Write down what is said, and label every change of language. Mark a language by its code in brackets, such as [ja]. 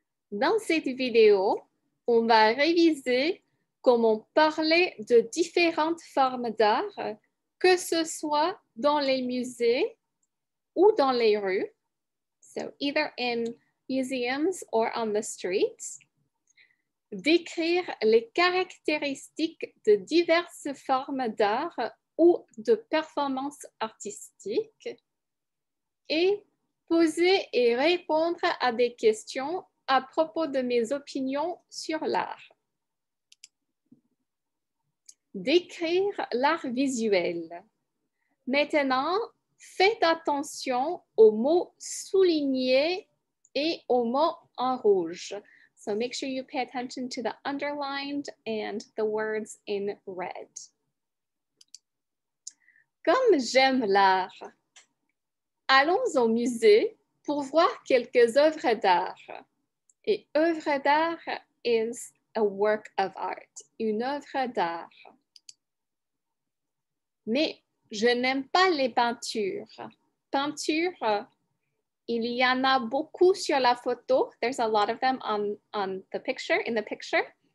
[fr] Dans cette vidéo, on va réviser comment parler de différentes formes d'art, que ce soit dans les musées ou dans les rues. [en] So, either in museums or on the streets. [fr] Décrire les caractéristiques de diverses formes d'art ou de performances artistiques et poser et répondre à des questions à propos de mes opinions sur l'art. Décrire l'art visuel. Maintenant, faites attention aux mots soulignés et aux mots en rouge. [en] So make sure you pay attention to the underlined and the words in red. [fr] Comme j'aime l'art. Allons au musée pour voir quelques œuvres d'art. Et œuvre d'art [en] is a work of art, [fr] une œuvre d'art. Mais je n'aime pas les peintures. Peinture. Il y en a beaucoup sur la photo. [en] There's a lot of them in the picture.